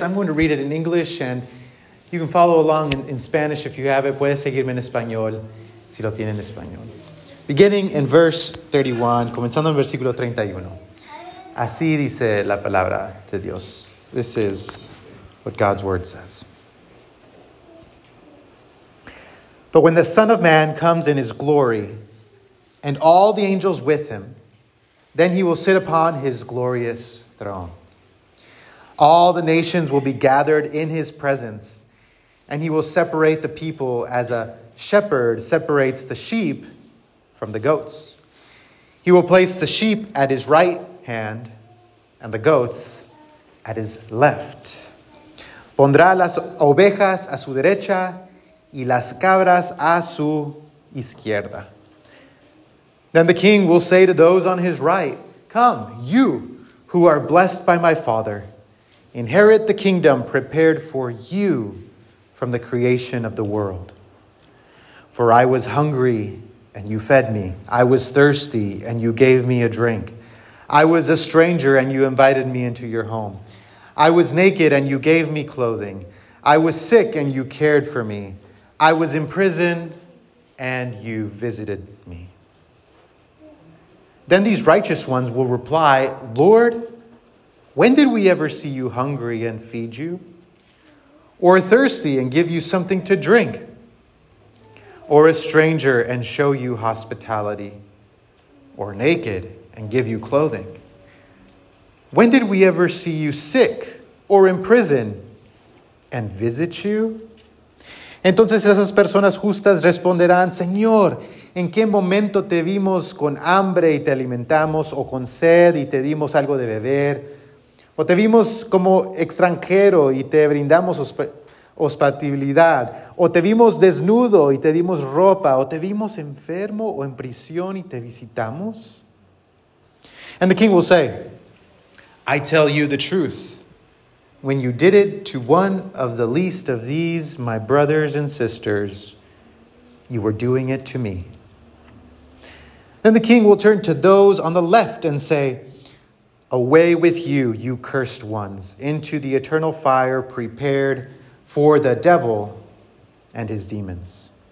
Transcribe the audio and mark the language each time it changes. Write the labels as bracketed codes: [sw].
[en] I'm going to read it in English, and you can follow along in Spanish if you have it. [es] Puedes seguirme en español, si lo tienen en español. [en] Beginning in verse 31, [es] comenzando en versículo 31. Así dice la palabra de Dios. [en] This is what God's word says. But when the Son of Man comes in his glory, and all the angels with him, then he will sit upon his glorious throne. All the nations will be gathered in his presence, and he will separate the people as a shepherd separates the sheep from the goats. He will place the sheep at his right hand, and the goats at his left. [es] Pondrá las ovejas a su derecha, y las cabras a su izquierda. [en] Then the king will say to those on his right, come, you who are blessed by my Father, inherit the kingdom prepared for you from the creation of the world. For I was hungry, and you fed me. I was thirsty, and you gave me a drink. I was a stranger, and you invited me into your home. I was naked, and you gave me clothing. I was sick, and you cared for me. I was in prison, and you visited me. Then these righteous ones will reply, Lord, when did we ever see you hungry and feed you? Or thirsty and give you something to drink? Or a stranger and show you hospitality? Or naked and give you clothing? When did we ever see you sick or in prison and visit you? [es] Entonces esas personas justas responderán, Señor, ¿en qué momento te vimos con hambre y te alimentamos o con sed y te dimos algo de beber? ¿O te vimos como extranjero y te brindamos hospitalidad? ¿O te vimos desnudo y te dimos ropa? ¿O te vimos enfermo o en prisión y te visitamos? [en] And the king will say, I tell you the truth. When you did it to one of the least of these, my brothers and sisters, you were doing it to me. Then the king will turn to those on the left and say, Away with you, you cursed ones, into the eternal fire prepared for the devil and his demons.